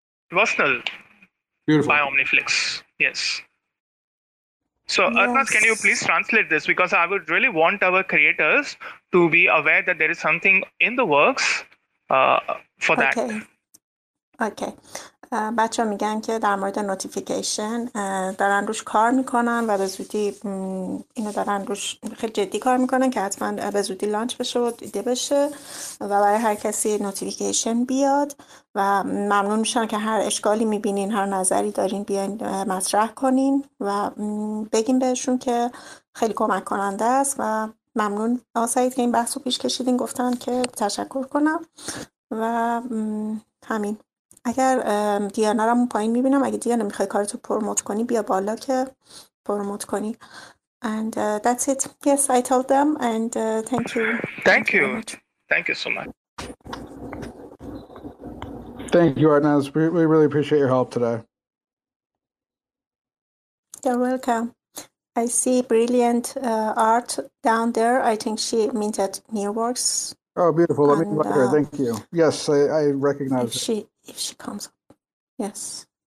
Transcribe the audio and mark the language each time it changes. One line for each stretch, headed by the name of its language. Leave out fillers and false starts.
English: Personal. Beautiful. By OmniFlix. Yes. So, Arnas, can you please translate this? Because I would really want our creators to be aware that there is something in the works for that. Okay.
Persian: بچه ها میگن که در مورد نوتیفیکیشن دارن روش کار میکنن و به زودی اینو دارن روش خیلی جدی کار میکنن که حتما به زودی لانچ بشه و دیده بشه و برای هر کسی نوتیفیکیشن بیاد و ممنون میشن که هر اشکالی میبینین هر نظری دارین بیاین مطرح کنین و بگیم بهشون که خیلی کمک کننده است و ممنون آسایید که این بحث رو پیش کشیدین گفتن که تشکر کنم و همین اگر دیانارم پایین میبینم اگه دیانا میخوای کارتو پروموت کنی بیا بالا که پروموت کنی
English: and that's it yes I told them and thank you so much Arnaz, we really appreciate your help today. You're welcome. I see brilliant art down there. I think she minted new works. Oh, beautiful. Let me invite her. Thank you. Yes, I recognize her. If she comes up. Yes.